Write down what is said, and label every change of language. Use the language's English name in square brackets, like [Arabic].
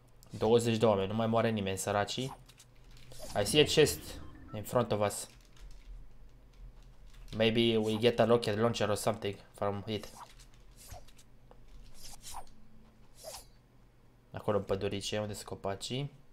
[Romanian] De oameni, nu mai moare nimeni, săracii. [English] I see a chest in front of us. Maybe we get a rocket launcher or something from it. [Romanian] Acolo în pădurice, unde sunt copacii.